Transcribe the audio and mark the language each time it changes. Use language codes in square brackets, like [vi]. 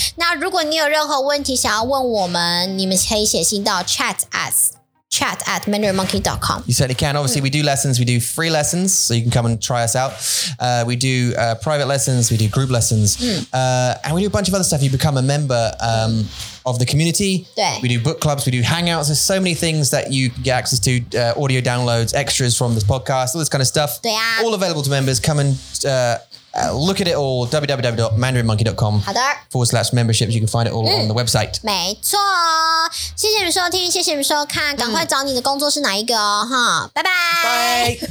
[zh] 那如果你有任何问题想要问我们，你们可以写信到 chat@ [en] chat@mandarinmonkey.com. You certainly can. Obviously, we do lessons. We do free lessons, so you can come and try us out. We do private lessons. We do group lessons. And we do a bunch of other stuff. You become a member of the community. We do book clubs. We do hangouts. There's so many things that you can get access to. Audio downloads, extras from this podcast, all this kind of stuff. All available to members. Come and look at it all. www.mandarinmonkey.com/memberships. You can find it all on the website. [zh] 没错。谢谢你们收听, 谢谢你们收看, 赶快找你的工作是哪一个哦, 哈, 拜拜。